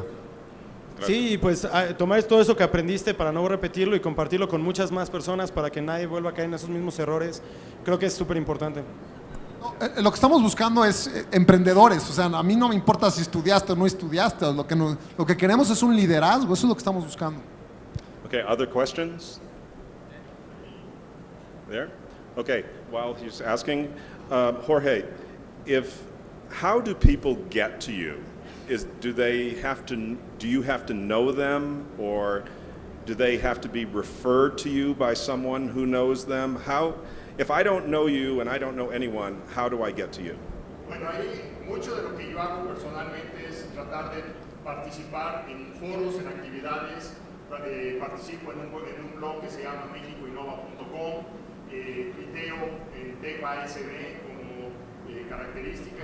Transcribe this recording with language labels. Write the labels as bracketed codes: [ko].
[es] Claro. Sí, pues tomar todo eso que aprendiste para no repetirlo y compartirlo con muchas más personas para que nadie vuelva a caer en esos mismos errores, creo que es súper importante. No, lo que estamos buscando es emprendedores, o sea, a mí no me importa si estudiaste o no estudiaste, lo que queremos es un liderazgo, eso es lo que estamos buscando. [en] Ok, ¿other questions? There? Ok, while he's asking, Jorge, how do people get to you? Do you have to know them, or do they have to be referred to you by someone who knows them? If I don't know you and I don't know anyone, how do I get to you? [es] Bueno, ahí mucho de lo que yo hago personalmente es tratar de participar en foros, en actividades. Participo en un blog que se llama mexicoinnova.com. Tuiteo en TechASB como característica.